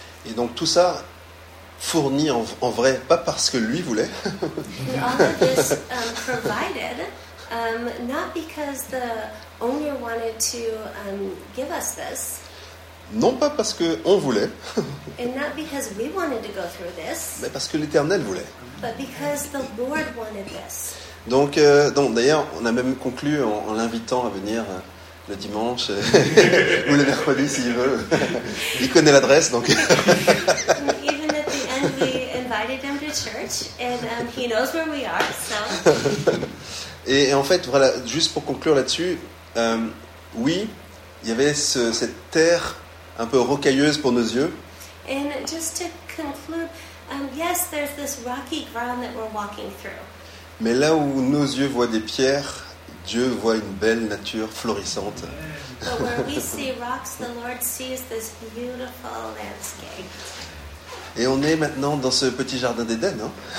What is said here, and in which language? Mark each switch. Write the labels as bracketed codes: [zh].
[fr] Et donc tout ça fourni en vrai, pas parce que lui voulait. [en] All of this provided. Not because the owner wanted to give us this. [fr] Non pas parce que on voulait. [en] And not because we wanted to go through this. [fr] Mais parce que l'Éternel voulait. [en] But because the Lord wanted this. [fr] Donc d'ailleurs, on a même conclu en l'invitant à venir le dimanche ou le mercredi s'il veut. Il connaît l'adresse, donc. [en] Even at the end, we invited him to church, and he knows where we are, so. [fr] Et en fait, voilà, juste pour conclure là-dessus, oui, il y avait cette terre un peu rocailleuse pour nos yeux. [en] And just to conclude, yes, there's this rocky ground that we're walking through. [fr] Mais là où nos yeux voient des pierres, Dieu voit une belle nature florissante. [en] But where we see rocks, the Lord sees this beautiful landscape. [fr] Et on est maintenant dans ce petit jardin d'Éden, hein?